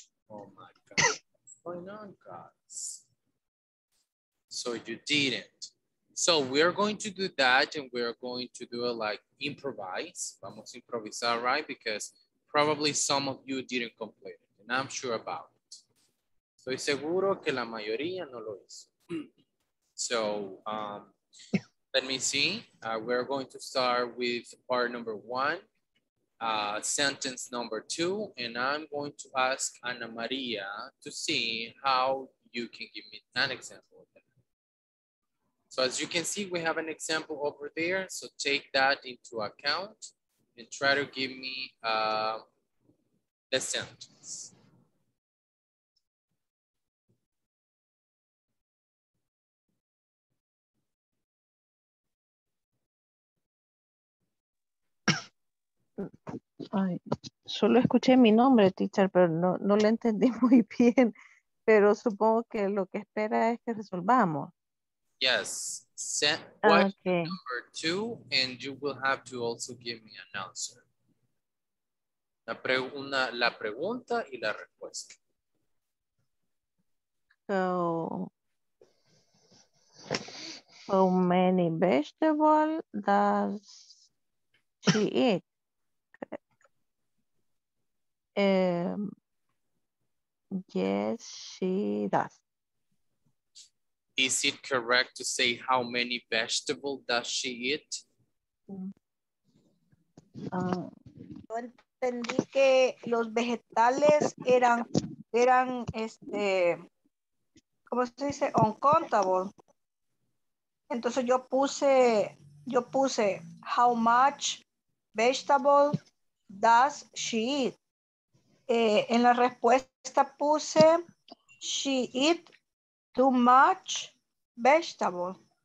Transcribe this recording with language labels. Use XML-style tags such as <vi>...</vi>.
<en>Oh my God. What's going on, guys? So you didn't. So we're going to do that, and we're going to do it like improvise.</en> <es>Vamos a improvisar,</es> <en>right? Because probably some of you didn't complete it, and I'm sure about it.</en> <es>Soy seguro que la mayoría no lo hizo.</es> <en>So let me see. We're going to start with part number one, sentence number two, and I'm going to ask Ana Maria to see how you can give me an example. So as you can see, we have an example over there. So take that into account and try to give me the sentence.</en> <es>Ay, solo escuché mi nombre, teacher, pero no lo entendí muy bien. Pero supongo que lo que espera es que resolvamos.</es> <en>Yes, set question okay. Number two, and you will have to also give me an answer.</en> <es>La pregunta y la respuesta.</es> <en>So, how many vegetables does she eat? Yes, she does. Is it correct to say how many vegetables does she eat?</en> <es>Yo entendí que los vegetales eran este, ¿cómo se dice?</es> <en>Uncountable.</en> <es>Entonces yo puse</es> <en>how much vegetable does she eat?</en> <es>En la respuesta puse</es> <en>she eat too much vegetable.</en>